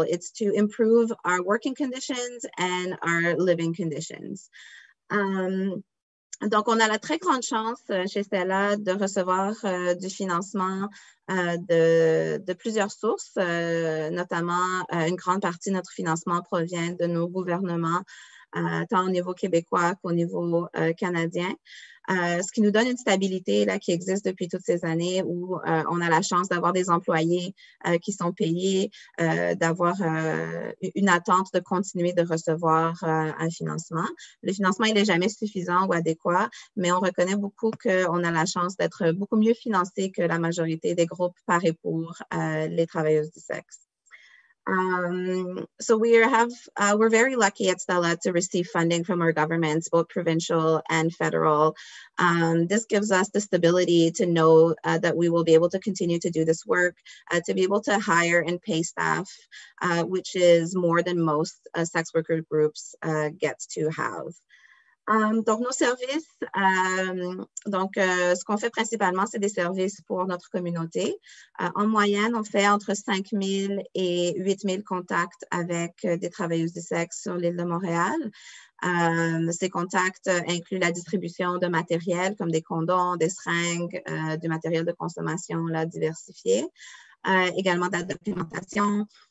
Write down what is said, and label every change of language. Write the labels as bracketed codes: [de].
[en] It's to improve our working conditions and our living conditions. [fr] Donc, on a la très grande chance chez Stella de recevoir du financement de plusieurs sources, notamment une grande partie de notre financement provient de nos gouvernements, tant au niveau québécois qu'au niveau canadien. ce qui nous donne une stabilité là, qui existe depuis toutes ces années où on a la chance d'avoir des employés qui sont payés, d'avoir une attente de continuer de recevoir un financement. Le financement, il n'est jamais suffisant ou adéquat, mais on reconnaît beaucoup qu'on a la chance d'être beaucoup mieux financé que la majorité des groupes par et pour les travailleuses du sexe. [en] We're very lucky at Stella to receive funding from our governments, both provincial and federal. This gives us the stability to know that we will be able to continue to do this work, to be able to hire and pay staff, which is more than most sex worker groups get to have. [fr] Donc, nos services, ce qu'on fait principalement, c'est des services pour notre communauté. En moyenne, on fait entre 5 000 et 8 000 contacts avec des travailleuses du sexe sur l'île de Montréal. Ces contacts incluent la distribution de matériel comme des condoms, des seringues, du matériel de consommation là, diversifié, également de la documentation.